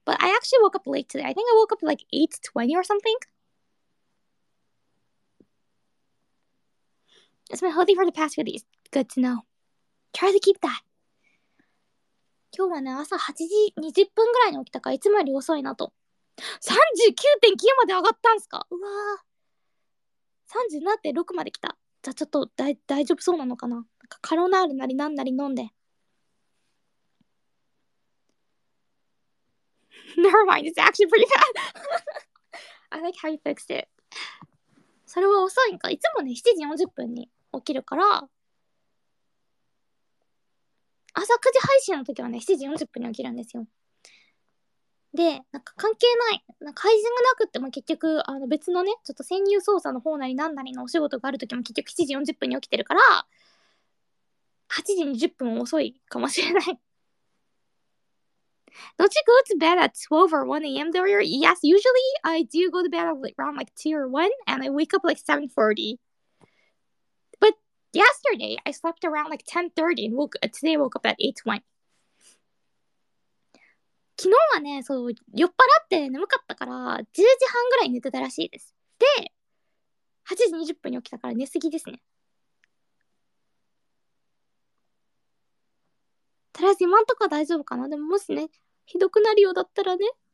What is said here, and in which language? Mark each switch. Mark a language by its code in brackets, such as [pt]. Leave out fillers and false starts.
[en] But I actually woke up late today. I think I woke up like 8:20 or something. It's been healthy for the past few days. Good to know. Try to keep that. [ja] 今日はね朝8時20分ぐらいに起きたからいつもより遅いなと。 39.9 まで上がったんすか。うわー。37.6 まで来た。じゃあちょっと大丈夫そうなのかな。なんかカロナールなりなんなり飲んで。 [en] Never mind, it's actually pretty bad. I like how you fixed it. [ja] それは遅いんか。いつもね、7時40分に起きるから。朝9時配信の時はね、7時40分に起きるんですよ。で、なんか関係ない。なんか配信がなくっても結局、別のね、ちょっと潜入捜査の方なり何なりのお仕事があるときも結局7時40分に起きてるから、8時20分遅いかもしれない。 [en] Don't you go to bed at 12 or 1 a.m. though? Yes, usually I do go to bed around like 2 or 1 and I wake up like 7:40. But yesterday I slept around like 10:30 and today I woke up at 8:20. [ja] 昨日はね、そう、酔っ払って眠かったから、10時半ぐらい寝てたらしいです。で、8時20分に起きたから寝すぎですね。とりあえず今んとこは大丈夫かな。でももしね、ひどくなるようだったらね、